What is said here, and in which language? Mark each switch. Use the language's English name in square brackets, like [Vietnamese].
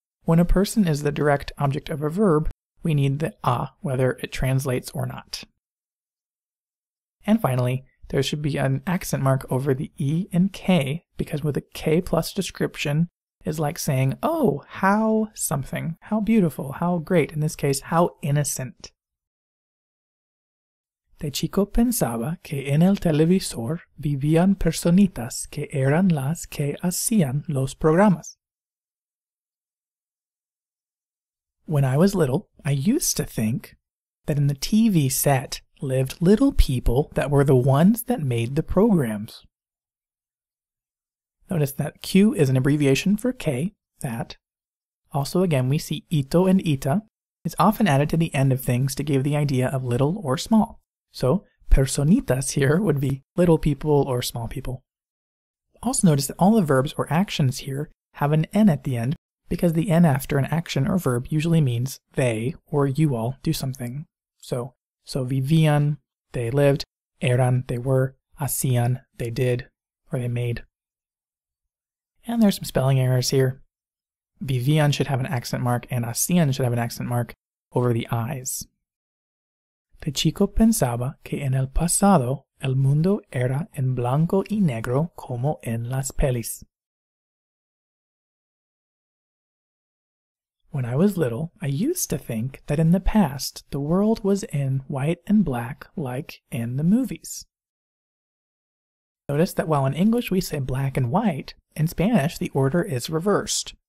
[English] When a person is the direct object of a verb, we need the a, whether it translates or not. And finally, there should be an accent mark over the e and k, because with a k plus description is like saying, oh, how something, how beautiful, how great, in this case, how innocent. [Spanish] De chico pensaba que en el televisor vivían personitas que eran las que hacían los programas. [English] When I was little, I used to think that in the TV set lived little people that were the ones that made the programs. Notice that Q is an abbreviation for K, that. Also, again, we see ito and ita. It's often added to the end of things to give the idea of little or small. So, personitas here would be little people or small people. Also notice that all the verbs or actions here have an N at the end, because the N after an action or verb usually means they or you all do something. So vivían, they lived, eran, they were, hacían, they did, or they made. And there's some spelling errors here. Vivían should have an accent mark, and hacían should have an accent mark over the I's. [Spanish] De chico pensaba que en el pasado el mundo era en blanco y negro como en las pelis. [English] When I was little, I used to think that in the past the world was in white and black like in the movies. Notice that while in English we say black and white, in Spanish the order is reversed.